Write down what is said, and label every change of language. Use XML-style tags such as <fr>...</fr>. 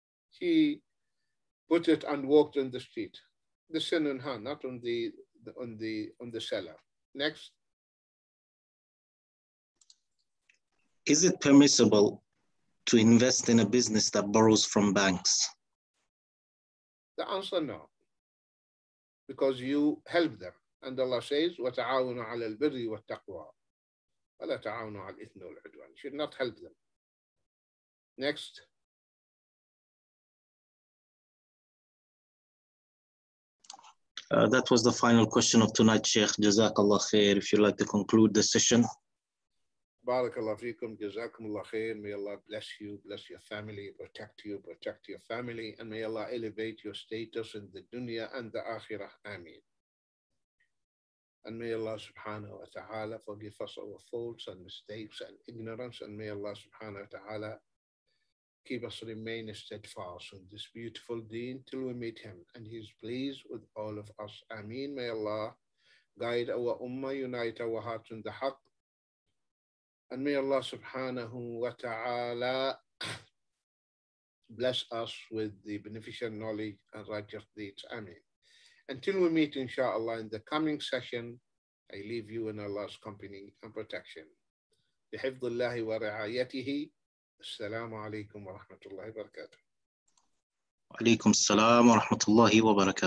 <en>She put it and walked in the street. The sin on her, not on the seller. Next. Is it permissible to invest in a business that borrows from banks? The answer, no. Because you help them. And Allah says,</en> <ar>وَتَعَاوْنُ عَلَى الْبِرِّ وَالتَّقْوَى وَلَا تَعَاوْنُ عَلَى الْإِثْنُ وَالْعُدْوَانِ.</ar> <en>You should not help them. Next. That was the final question of tonight, Sheikh. Jazakallah khair. If you'd like to conclude the session. Barakallah feekum. Jazakumullah khair. May Allah bless you, bless your family, protect you, protect your family. And may Allah elevate your status in the dunya and the akhirah. Ameen. And may Allah subhanahu wa ta'ala forgive us our faults and mistakes and ignorance. And may Allah subhanahu wa ta'ala keep us remain steadfast on this beautiful deen till we meet him. And he is pleased with all of us. Ameen. May Allah guide our ummah, unite our hearts in the haqq. And may Allah subhanahu wa ta'ala bless us with the beneficial knowledge and righteous deeds. Ameen. Until we meet, inshallah, in the coming session, I leave you in Allah's company and protection.</en> <ar>بحفظ الله ورعايته. السلام عليكم ورحمة الله وبركاته. عليكم السلام ورحمة الله وبركاته.</ar>